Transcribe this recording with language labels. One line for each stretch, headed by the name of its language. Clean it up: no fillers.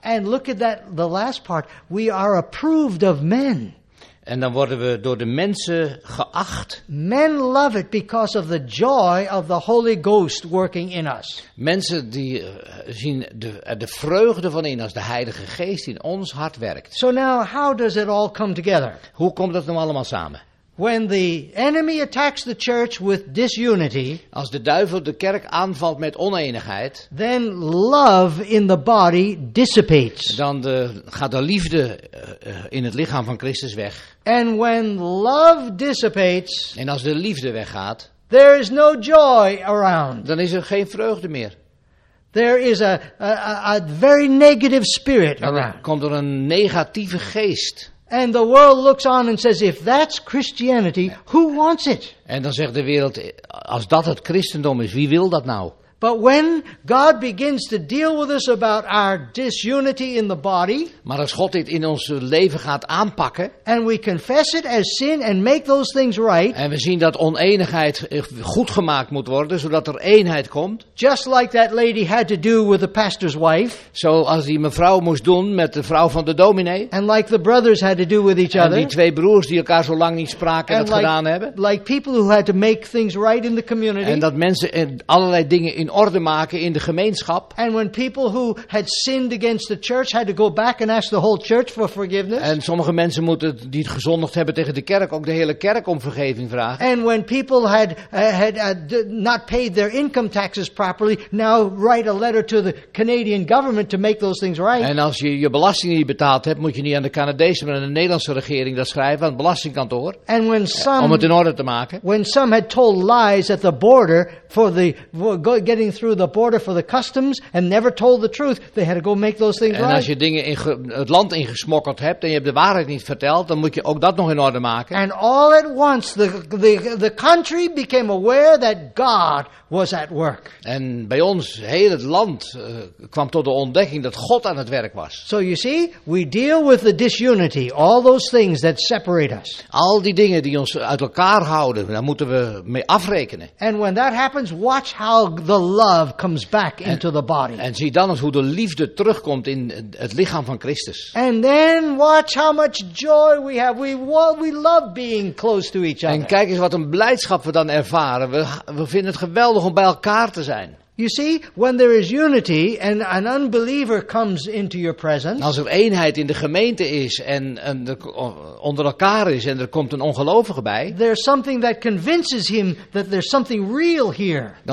English: And look at that, the last part, we are approved of men.
Dutch: En dan worden we door de mensen geacht.
English: Men love it because of the joy of the Holy Ghost working in us.
Dutch: Mensen die zien de vreugde van in als de Heilige Geest in ons hart werkt.
English: So now, how does it all come together?
Dutch: Hoe komt dat nou allemaal samen?
English: When the enemy attacks the church with disunity,
Dutch: als de duivel de kerk aanvalt met oneenigheid,
English: then love in the body dissipates.
Dutch: Dan gaat de liefde in het lichaam van Christus weg.
English: And when love dissipates,
Dutch: en als de liefde weggaat,
English: there is no joy around.
Dutch: Dan is er geen vreugde meer.
English: There is a very negative spirit around.
Dutch: Dan komt er een negatieve geest.
English: And the world looks on and says, if that's Christianity, who wants it?
Dutch: En dan zegt de wereld, als dat het christendom is, wie wil dat nou?
English: But when God begins to deal with us about our disunity in the body,
Dutch: maar als God dit in ons leven gaat aanpakken,
English: and we confess it as sin and make those things right,
Dutch: en we zien dat oneenigheid goed gemaakt moet worden, zodat er eenheid komt,
English: just like that lady had to do with the pastor's wife,
Dutch: zoals die mevrouw moest doen met de vrouw van de dominee,
English: and like the brothers had to do with each other,
Dutch: en die twee broers die elkaar zo lang niet spraken en dat
English: like,
Dutch: gedaan hebben,
English: like people who had to make things right in the community,
Dutch: en dat mensen allerlei dingen in orde maken in de gemeenschap.
English: And when people who had sinned against the church had to go back and ask the whole church for forgiveness.
Dutch: En sommige mensen moeten die het gezondigd hebben tegen de kerk ook de hele kerk om vergeving vragen.
English: And when people had not paid their income taxes properly, now write a letter to the Canadian government to make those things right.
Dutch: En als je belasting niet betaald hebt, moet je niet aan de Canadese maar aan de Nederlandse regering dat schrijven aan het belastingkantoor.
English: And when some,
Dutch: om het in orde te maken.
English: When some had told lies at the border for the getting through the border for the customs and never told the truth, they had to go make those things
Dutch: en
English: right.
Dutch: En als je dingen in het land ingesmokkeld hebt en je hebt de waarheid niet verteld, dan moet je ook dat nog in orde maken.
English: And all at once the country became aware that God was at work.
Dutch: En bij ons heel het land kwam tot de ontdekking dat God aan het werk was.
English: So you see, we deal with the disunity, all those things that separate us.
Dutch: Al die dingen die ons uit elkaar houden, daar moeten we mee afrekenen.
English: And when that happens, watch how the love comes back into the body.
Dutch: En zie dan eens hoe de liefde terugkomt in het lichaam van Christus.
English: And then watch how much joy we have. We love being close to each other.
Dutch: En kijk eens wat een blijdschap we dan ervaren. We vinden het geweldig om bij elkaar te zijn.
English: You see, when there is unity and an unbeliever comes into your presence,
Dutch: als er eenheid in de gemeente is en er onder elkaar is en er komt een ongelovige bij,
English: there's something that convinces him that there's something real here.